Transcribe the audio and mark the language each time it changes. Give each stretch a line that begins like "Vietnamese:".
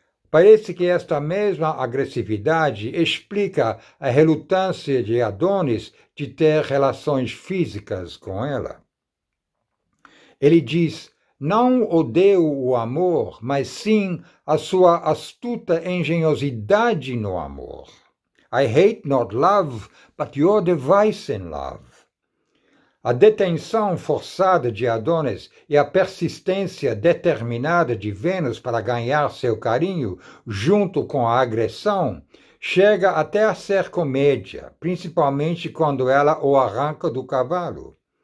Portuguese: Parece que esta mesma agressividade explica a relutância de Adonis de ter relações físicas com ela. Ele diz: não odeio o amor, mas sim a sua astuta engenhosidade no amor.
English: I hate not love, but your device in love.
Portuguese: A detenção forçada de Adonis e a persistência determinada de Vênus para ganhar seu carinho, junto com a agressão, chega até a ser comédia, principalmente quando ela o arranca do cavalo.